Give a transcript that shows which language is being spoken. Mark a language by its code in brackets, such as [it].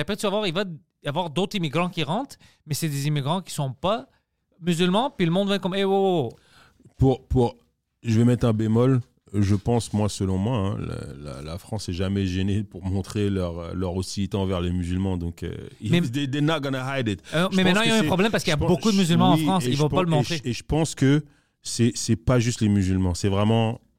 [fr] Puis après, tu vas voir, il va y avoir d'autres immigrants qui rentrent, mais c'est des immigrants qui sont pas musulmans. Puis le monde va être comme hey, wow, wow. Je vais mettre un bémol. Je pense, moi, selon moi, hein, la France n'est jamais gênée pour montrer leur hostilité envers les musulmans. [en] Donc, they're not gonna hide it. [fr] Mais maintenant, il y a un problème parce qu'il y a beaucoup de musulmans en France. Ils ne vont pas le montrer. Et je pense que ce n'est pas juste les musulmans. C'est vraiment...